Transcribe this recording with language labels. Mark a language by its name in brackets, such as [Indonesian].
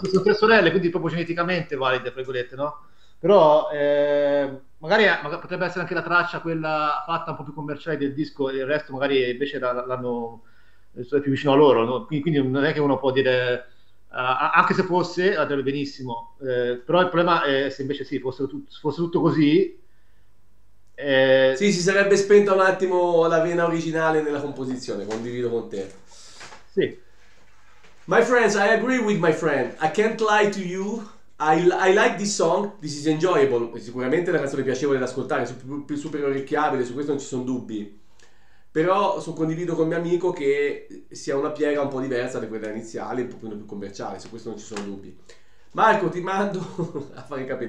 [Italian] Sono tre sorelle, quindi proprio geneticamente valide, tra virgolette, no? Però magari potrebbe essere anche la traccia quella fatta un po' più commerciale del disco, e il resto magari invece l'hanno più vicino a loro, no? Quindi non è che uno può dire, anche se fosse, la direbbe benissimo. Però il problema è se invece sì, fosse tutto così. Sì, si sarebbe spenta un attimo la vena originale nella composizione, condivido con te. Sì. [English] My friends, I agree with my friend. I can't lie to you. I like this song. This is enjoyable. [Italian] Sicuramente è una canzone piacevole da ascoltare, più super orecchiabile, su questo non ci sono dubbi. Però condivido con il mio amico che sia una piega un po' diversa da quella iniziale, un po' più commerciale, su questo non ci sono dubbi. Marco, ti mando a fare i capelli,